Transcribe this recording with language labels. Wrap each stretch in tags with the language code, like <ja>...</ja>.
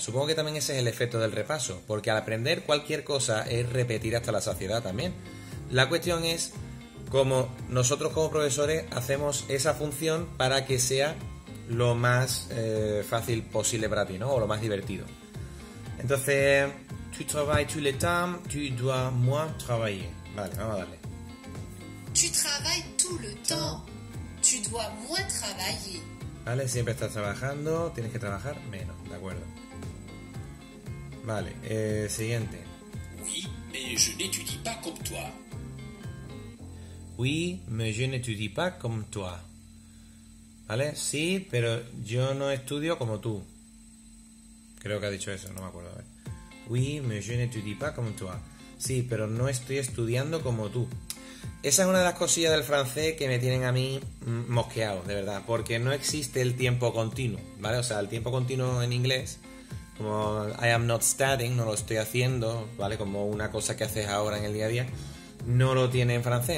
<es>Supongo que también ese es el efecto del repaso, porque al aprender cualquier cosa es repetir hasta la saciedad también. La cuestión es cómo nosotros como profesores hacemos esa función para que sea lo más fácil posible para ti, ¿no? O lo más divertido. Entonces...</es> <fr>Tu travailles tout le temps, tu dois moins travailler.</fr> <es>Vale, vamos a darle.</es> <fr>Tu travailles tout le temps, tu dois moins travailler.</fr> <es>Vale, siempre estás trabajando, tienes que trabajar menos, de acuerdo. Vale, siguiente.</es> <fr>Oui, mais je n'étudie pas comme toi. Oui, mais je n'étudie pas comme toi.</fr> <es>Vale, sí, pero yo no estudio como tú. Creo que ha dicho eso, no me acuerdo, a ver.</es> <fr>Oui, mais je n'étudie pas comme toi.</fr> <es>Sí, pero no estoy estudiando como tú. Esa es una de las cosillas del francés que me tienen a mí mosqueado, de verdad, porque no existe el tiempo continuo, ¿vale? O sea, el tiempo continuo en inglés, como</es> <en>I am not studying,</en> <es>no lo estoy haciendo, ¿vale? Como una cosa que haces ahora en el día a día, no lo tiene en francés.</es>